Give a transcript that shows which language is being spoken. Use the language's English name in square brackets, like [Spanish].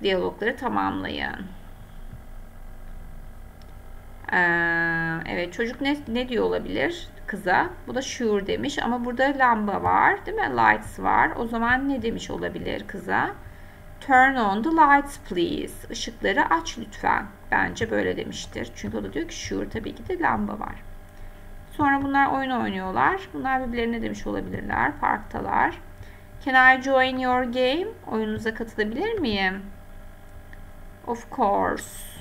[Turkish] Diyalogları tamamlayın. Evet, çocuk ne diyor olabilir kıza? Bu da sure demiş ama burada lamba var, değil mi? Lights var. O zaman ne demiş olabilir kıza? [English] Turn on the lights please. [Turkish] Işıkları aç lütfen. Bence böyle demiştir. Çünkü o da diyor ki sure, tabii ki de lamba var. Sonra bunlar oyun oynuyorlar. Bunlar birbirlerine demiş olabilirler. Parktalar. [English] Can I join your game? [Turkish] Oyununuza katılabilir miyim? [English] Of course.